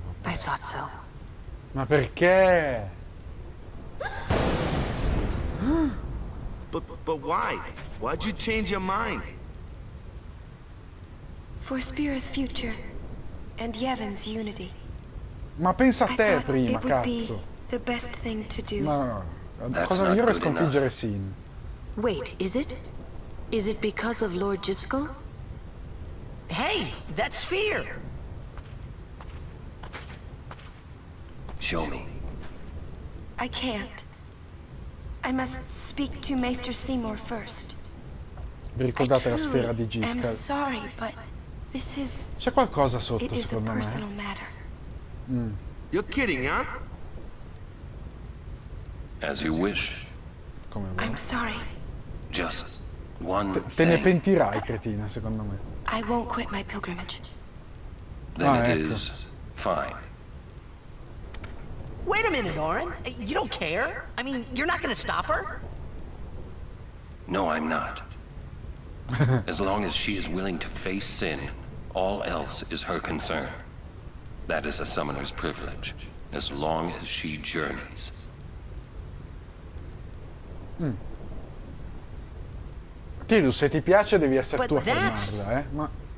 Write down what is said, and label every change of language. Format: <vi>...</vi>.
<en>I thought so.</en> <it>Ma perché?</it> <en>But why? Why'd you change your mind? For Spira's future and Yevon's unity.</en> <it>Ma pensa a te prima, cazzo.</it> <en>The best thing to do.</en> <it>Ma cosa migliore è sconfiggere Sin?</it> <en>Wait, is it? Is it because of Lord Jiskal? Hey, that sphere! Show me. I can't. I must speak to Maester Seymour first.</en> <it>Vi ricordate la sfera di Jiskal?</it> <en>I'm sorry, but this is...</en> <it>C'è qualcosa sotto, secondo me.</it> <en>It is a personal matter. You're kidding, huh? As you wish.</en> <it>Come vuoi.</it> <en>I'm sorry. Just one thing.</en> <it>Te ne pentirai, cretina, secondo me.</it> <en>I won't quit my pilgrimage. Then it is fine. Wait a minute, Auron. You don't care? I mean, you're not gonna stop her? No, I'm not. As long as she is willing to face Sin, all else is her concern. That is a summoner's privilege, as long as she journeys.</en> <it>Tidus, se ti piace devi essere tu a fermarla, ma...</it>